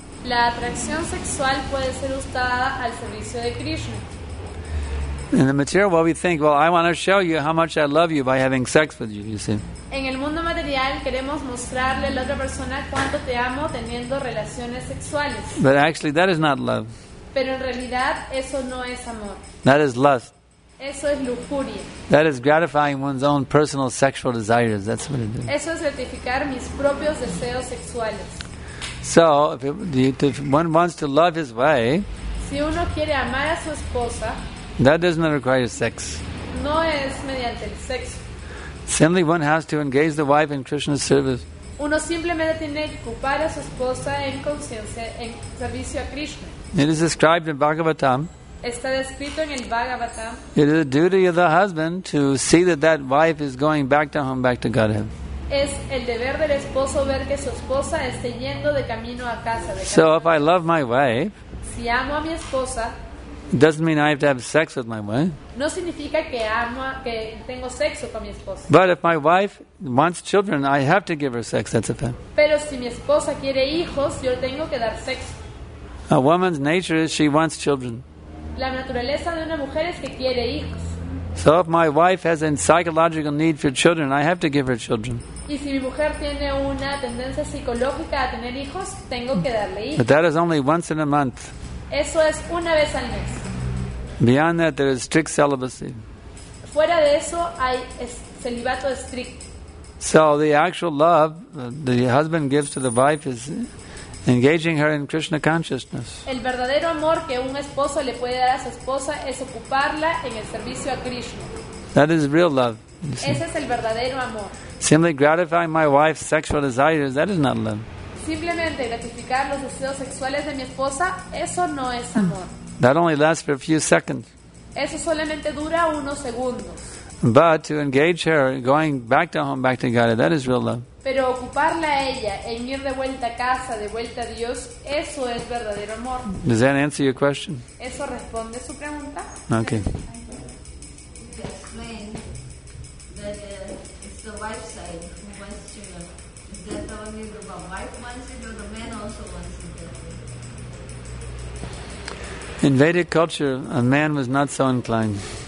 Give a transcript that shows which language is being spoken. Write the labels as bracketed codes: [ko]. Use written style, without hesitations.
[es] La atracción sexual puede ser usada al servicio de Krishna. [en] In the material world, we think, well, I want to show you how much I love you by having sex with you, you see. [es] En el mundo material queremos mostrarle a la otra persona cuánto te amo teniendo relaciones sexuales. [en] But actually, that is not love. [es] Pero en realidad eso no es amor. [en] That is lust. [es] Eso es lujuria. [en] That is gratifying one's own personal sexual desires. That's what it is. [es] Eso es gratificar mis propios deseos sexuales. [en] So, if one wants to love his wife, [es] si uno quiere amar a su esposa, [en] that does not require sex. [es] No es mediante el sexo. [en] Simply one has to engage the wife in Krishna's service. [es] Uno simplemente tiene que ocupar a su esposa en conciencia, en servicio a Krishna. [en] It is described in Bhagavatam. [es] Está descrito en el Bhagavatam. [en] It is the duty of the husband to see that that wife is going back to home, back to Godhead. [es] Es el deber del esposo ver que su esposa esté yendo de camino a casa. [en] So if I love my wife, [es] si amo a mi esposa, [en] it doesn't mean I have to have sex with my wife. [es] No significa que amo, que tengo sexo con mi esposa. [en] But if my wife wants children, I have to give her sex. That's a fact. [es] Pero si mi esposa quiere hijos, yo tengo que dar sexo. [en] A woman's nature is she wants children. [es] La naturaleza de una mujer es que quiere hijos. [en] So if my wife has a psychological need for children, I have to give her children. [es] Y si mi mujer tiene una tendencia psicológica a tener hijos, tengo que darle hijos. [en] But that is only once in a month. [es] Eso es una vez al mes. [en] Beyond that, there is strict celibacy. [es] Fuera de eso, hay celibato estricto. [en] So the actual love the husband gives to the wife is engaging her in Krishna consciousness. [es] El verdadero amor que un esposo le puede dar a su esposa es ocuparla en el servicio a Krishna. [en] That is real love. [es] Ese es el verdadero amor. [en] Simply gratifying my wife's sexual desires, that is not love. [es] Simplemente gratificar los deseos sexuales de mi esposa, eso no es amor. [en] That only lasts for a few seconds. [es] Eso solamente dura unos segundos. [en] But to engage her, going back to home, back to God, that is real love. [es] Pero ocuparla a ella en ir de vuelta a casa, de vuelta a Dios, eso es verdadero amor. [en] Does that answer your question? [es] ¿Eso responde su pregunta? [en] Okay. You explained that it's the wife side who wants children. Is that only the wife wants it or the man also wants it? In Vedic culture, a man was not so inclined.